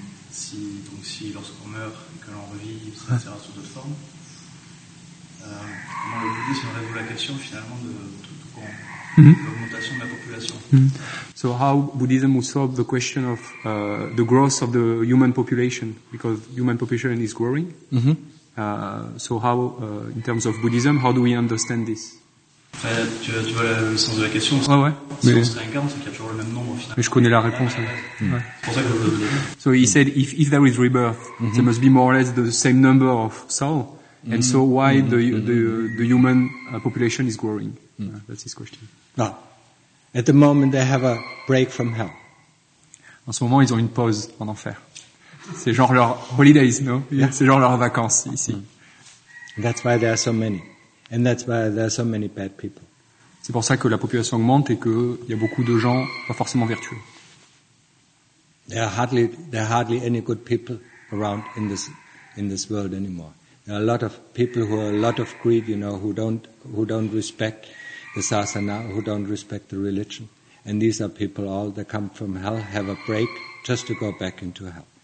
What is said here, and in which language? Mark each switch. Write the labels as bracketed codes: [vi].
[fr] Si lorsqu'on meurt et que l'on revit, etc., ouais, sous d'autres formes, comment le bouddhisme résout la question finalement de tout courant? Mm-hmm. [en] So how Buddhism would solve the question of the growth of the human population, because human population is growing. Mm-hmm. So how, in terms of Buddhism, how do we understand this? [fr] Tu vois le sens de la question. Ouais, ouais. Si mais... on se réincarne, c'est qu'il y a toujours le même nombre au final. Mais je connais la réponse. Ouais. Ouais. C'est pour ça que je veux dire. [en] So he said, if there is rebirth, mm-hmm, there must be more or less the same number of souls. And so why the human population is growing? Mm. That's his question. Now, at the moment they have a break from hell. [fr] En ce moment, ils ont une pause en enfer. C'est genre leur holidays, [en] no? Yeah. [fr] C'est genre leurs vacances ici. [en] That's why there are so many. And that's why there are so many bad people. [fr] C'est pour ça que la population augmente et qu'il y a beaucoup de gens pas forcément vertueux. [en] There are hardly any good people around in this world anymore. A lot of people who are a lot of greed, you know, who don't respect the sasana, who don't respect the religion. And these are people all that come from hell, have a break, just to go back into hell.